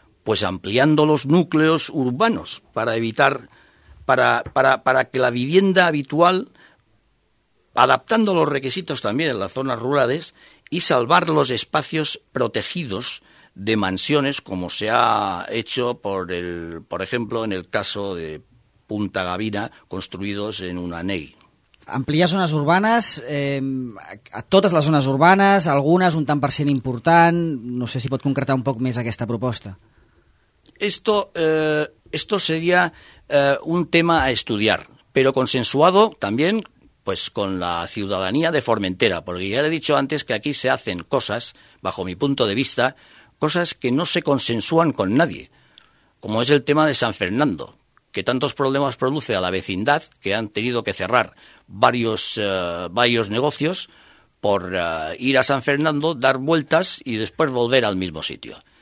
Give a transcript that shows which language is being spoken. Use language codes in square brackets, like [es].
[es] Pues ampliando los núcleos urbanos para evitar, para que la vivienda habitual, adaptando los requisitos también en las zonas rurales y salvar los espacios protegidos de mansiones, como se ha hecho, por ejemplo, en el caso de Punta Gavina, construidos en una ney. [ca] Ampliar zones urbanes, a totes les zones urbanes, algunes un tant per cent important, no sé si pot concretar un poc més aquesta proposta. [es] Esto sería un tema a estudiar, pero consensuado también pues con la ciudadanía de Formentera, porque ya le he dicho antes que aquí se hacen cosas, bajo mi punto de vista, cosas que no se consensúan con nadie, como es el tema de San Fernando, que tantos problemas produce a la vecindad, que han tenido que cerrar varios negocios por ir a San Fernando, dar vueltas y después volver al mismo sitio.